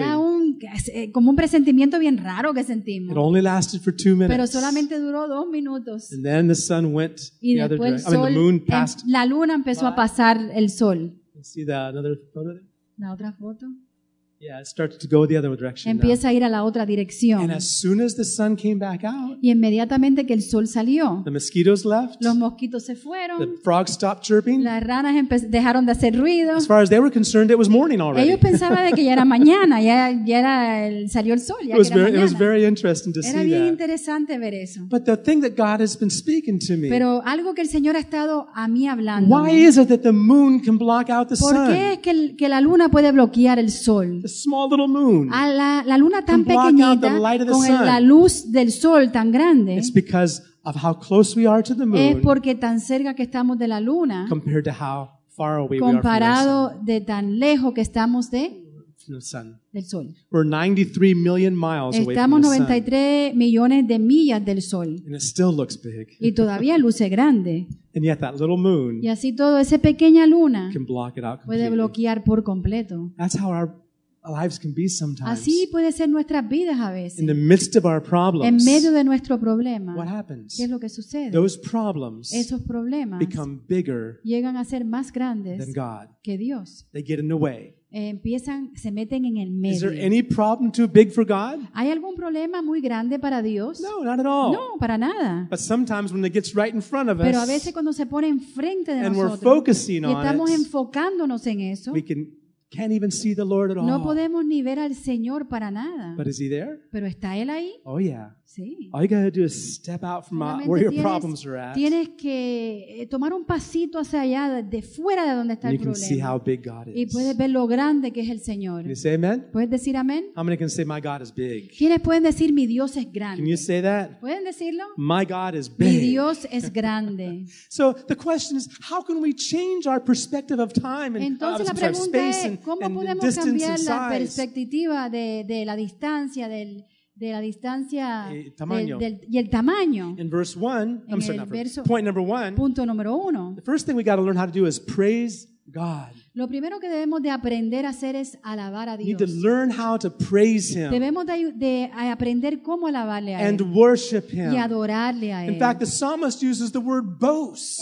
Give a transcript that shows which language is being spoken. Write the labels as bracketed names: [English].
[Spanish] Era como un presentimiento bien raro que sentimos. [English] It only lasted for 2 minutes. [Spanish] Pero solamente duró 2 minutos. [English] And then the sun went [Spanish] y [English] the other direction. I mean, the moon passed. [Spanish] La luna empezó [English] by. [Spanish] A pasar el sol. [English] See that another photo there? [Spanish] La otra foto. [English] Yeah, it started to go the other direction. [Spanish] Empieza [English] now. [Spanish] A ir a la otra dirección. [English] And as soon as the sun came back out. [Spanish] Y inmediatamente que el sol salió. [English] The mosquitoes left. [Spanish] Los mosquitos se fueron. [English] The frogs stopped chirping. [Spanish] Las ranas dejaron de hacer ruido. [English] As far as they were concerned, it was morning already. [Spanish] Ellos pensaban de que ya era mañana, salió el sol, ya [English] it was [Spanish] que era mañana. [English] It was very interesting to [Spanish] era [English] see [Spanish] bien [English] that. [Spanish] Era interesante ver eso. [English] But the thing that God has been speaking to me. [Spanish] Pero algo que el Señor ha estado a mí hablando. [English] Why is it that the moon can block out the sun? [Spanish] ¿Por qué es que la luna puede bloquear el sol? [English] Small little moon. [Spanish] A la luna tan pequeñita con la luz del sol tan grande. [English] It's because of how close we are to the moon. [Spanish] Es porque tan cerca que estamos de la luna. [English] Compared to how far away we are. [Spanish] Comparado de tan lejos que estamos de del sol. [English] We're 93 million miles away from the sun. [Spanish] Estamos 93 millones de millas del sol. [English] And it still looks big. [Spanish] Y todavía luce grande. [English] And yet that little moon. [Spanish] Y así todo esa pequeña luna [English] can block it out completely. [Spanish] Puede bloquear por completo. [English] That's how our lives can be sometimes. [Spanish] Así puede ser nuestras vidas a veces. [English] In the midst of our problems, [Spanish] en medio de nuestro problema, [English] what happens? [Spanish] ¿Qué es lo que sucede? [English] Those problems, [Spanish] esos problemas, [English] become bigger, [Spanish] llegan a ser más grandes [English] than God, [Spanish] que Dios. [English] They get in the way. [Spanish] Empiezan, se meten en el medio. [English] Is there any problem too big for God? [Spanish] ¿Hay algún problema muy grande para Dios? [English] No, not at all. [Spanish] No, para nada. [English] But sometimes when it gets right in front of us, [Spanish] pero a veces cuando se pone enfrente de [English] and [Spanish] nosotros, [English] we're focusing [Spanish] y estamos [English] on [Spanish] enfocándonos [English] it, [Spanish] en eso, [English] we can can't even see the Lord at all. [Spanish] No podemos ni ver al Señor para nada. [English] But is he there? [Spanish] Pero está él ahí. [English] Oh yeah. [Spanish] Sí. [English] All you gotta do is step out from where your problems are at. [Spanish] Tienes que tomar un pasito hacia allá de fuera de donde está [English] and [Spanish] el problema. [English] You can see how big God is. [Spanish] Y puedes ver lo grande que es el Señor. [English] Can you say amen? [Spanish] ¿Puedes decir amén? [English] How many can say my God is big? [Spanish] ¿Quiénes pueden decir mi Dios es grande? [English] Can you say that? [Spanish] ¿Pueden decirlo? [English] My God is big. [Spanish] Mi Dios es grande. [English] So the question is, how can we change our perspective of time and [Spanish] entonces, [English] sorry, space and [Spanish] ¿cómo podemos cambiar la perspectiva de la distancia, del, de la distancia y el tamaño. [English] In verse one, point number one. The first thing we got to learn how to do is praise God. [Spanish] Lo primero que debemos de aprender a hacer es alabar a Dios. [English] We need to learn how to praise Him. [Spanish] Debemos de aprender cómo alabarle a Él. [English] And worship Him. [Spanish] Y adorarle a Él. [English] In fact, the psalmist uses the word boast.